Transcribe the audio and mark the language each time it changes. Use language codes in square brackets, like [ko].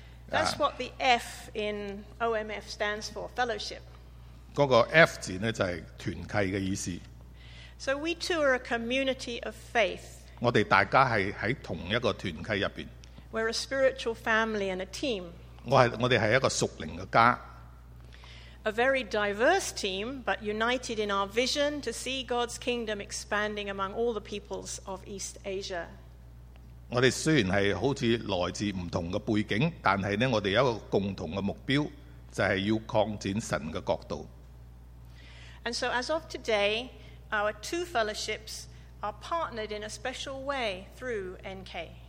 [en] That's what the F in OMF stands for, fellowship. [yue] 嗰個 F 字咧就係團契嘅意思。 [en] So we too are a community of faith. [yue] 我哋大家係喺同一個團契入邊。 [en] We're a spiritual family and a team. [yue] 我哋係一個屬靈嘅家。 [en] A very diverse team, but united in our vision to see God's kingdom expanding among all the peoples of East Asia. [yue] 我哋雖然係好似來自唔同嘅背景，但係咧，我哋有一個共同嘅目標，就係要擴展神嘅國度。 [en] And so, as of today, our two fellowships are partnered in a special way through NK.